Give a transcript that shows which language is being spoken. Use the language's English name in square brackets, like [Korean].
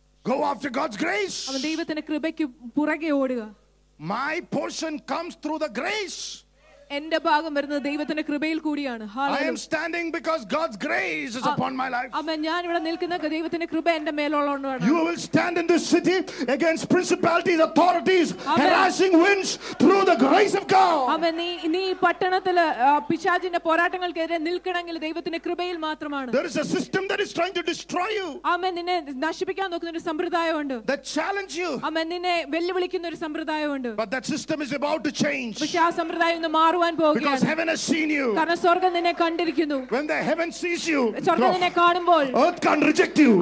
[English] Go after God's grace. [Malayalam] അവൻ ദൈവത്തിന്റെ കൃപയ്ക്ക് പുറകെ ഓടുക. [English] My portion comes through the grace. [Malayalam] എന്റെ ഭാഗം വരുന്നത് ദൈവത്തിന്റെ കൃപയിൽ കൂടിയാണ് [English] hallelujah I am standing because God's grace is upon my life [Malayalam] അമ്മ ഞാൻ ഇവിടെ നിൽക്കുന്ന ദൈവത്തിന്റെ കൃപ എന്റെ മേലുള്ളതുകൊണ്ടാണ് [English] You will stand in this city against principalities authorities harassing winds through the grace of God [Malayalam] അമ്മ നീ പട്ടണത്തിലെ പിശാചിന്റെ പോരാട്ടങ്ങൾക്കെതിരെ നിൽക്കണമെങ്കിൽ ദൈവത്തിന്റെ കൃപയിൽ മാത്രമാണ് [English] There is a system that is trying to destroy you [Malayalam] അമ്മ നിന്നെ നശിപ്പിക്കാൻ നോക്കുന്ന ഒരു സമ്പ്രദായമുണ്ട് [English] That challenge you [Malayalam] അമ്മ നിന്നെ വെല്ലുവിളിക്കുന്ന ഒരു സമ്പ്രദായമുണ്ട് [English] But that system is about to change [Malayalam] പക്ഷേ ആ സമ്പ്രദായം മാറുവാൻ പോകുകയാണ് [English] Because heaven has seen you [Malayalam] കാരണം സ്വർഗ്ഗം നിന്നെ കണ്ടിരിക്കുന്നു [English] When the heaven sees you [Malayalam] സ്വർഗ്ഗം നിന്നെ കാണുമ്പോൾ [English] Earth can't reject you